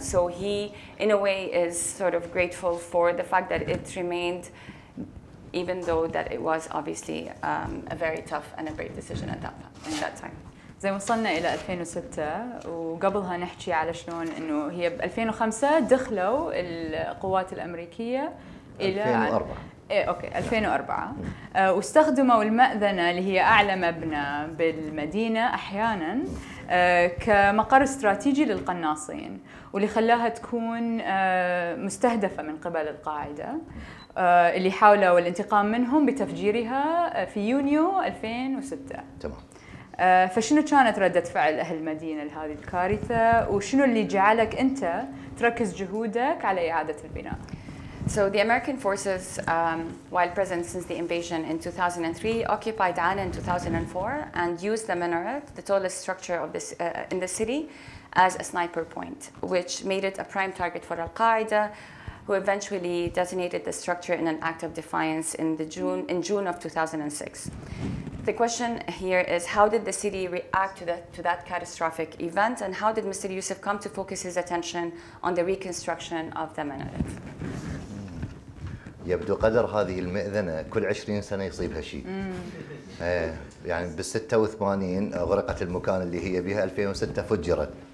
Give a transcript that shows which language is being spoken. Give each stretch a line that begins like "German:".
English: So he, in a way, is sort of grateful for the fact that it remained, even though that it was obviously a very tough and a brave decision at that time.
Arabic: زي ما وصلنا إلى 2006 وقبلها نحكي على شلون إنه هي ب 2005 دخلوا القوات الأمريكية إلى 2004. إيه أوكي 2004 واستخدموا المأذنة اللي هي أعلى مبنى بالمدينة أحياناً كمقر استراتيجي للقناصين، واللي خلاها تكون مستهدفة من قبل القاعدة اللي حاولوا الانتقام منهم بتفجيرها في يونيو 2006. تمام. فشنو كانت ردة فعل أهل المدينة لهذه الكارثة، وشنو اللي جعلك أنت تركز جهودك على إعادة البناء؟
English: So the American forces, while present since the invasion in 2003, occupied Anah in 2004 and used the minaret, the tallest structure of this in the city, as a sniper point, which made it a prime target for Al-Qaeda, who eventually detonated the structure in an act of defiance in June of 2006. The question here is, how did the city react to that catastrophic event, and how did Mr. Yousif come to focus his attention on the reconstruction of the minaret?
Arabic: يبدو قدر هذه المئذنة كل 20 سنة يصيبها شيء. يعني بال 86 غرقت المكان اللي هي بها 2006 فجرت.